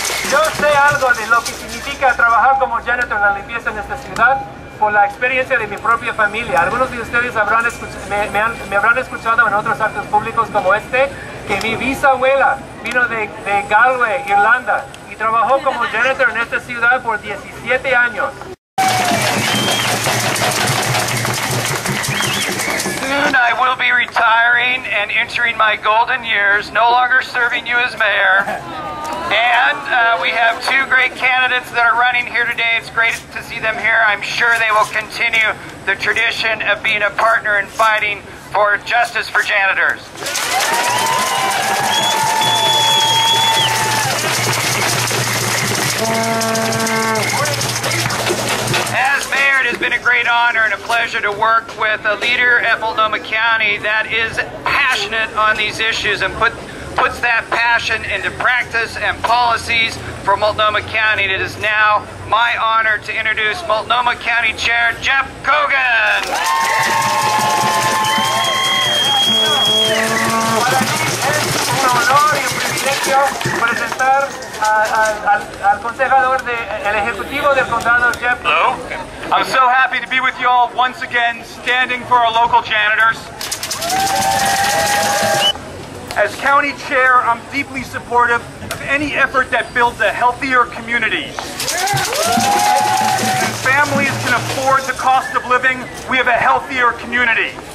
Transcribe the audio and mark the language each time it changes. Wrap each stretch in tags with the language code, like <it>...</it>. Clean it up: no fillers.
<es>Yo sé algo de lo que significa trabajar como janitor en la limpieza en esta ciudad por la experiencia de mi propia familia. Algunos de ustedes habrán escuchado en otros actos públicos como este que mi bisabuela vino de Galway, Irlanda y trabajó como janitor en esta ciudad por 17 años.</es> <en>Soon I will be retiring and entering my golden years, no longer serving you as mayor. And we have two great candidates that are running here today. It's great to see them here. I'm sure they will continue the tradition of being a partner in fighting for justice for janitors. As mayor, it has been a great honor and a pleasure to work with a leader at Multnomah County that is passionate on these issues and puts that passion into practice and policies for Multnomah County. It is now my honor to introduce Multnomah County Chair Jeff Cogan.</en> <es>Para mí es un honor y un privilegio presentar al concejador del ejecutivo del condado, Jeff.</es> <en>Hello. I'm so happy to be with you all once again, standing for our local janitors. As county chair, I'm deeply supportive of any effort that builds a healthier community. When families can afford the cost of living, we have a healthier community.</en>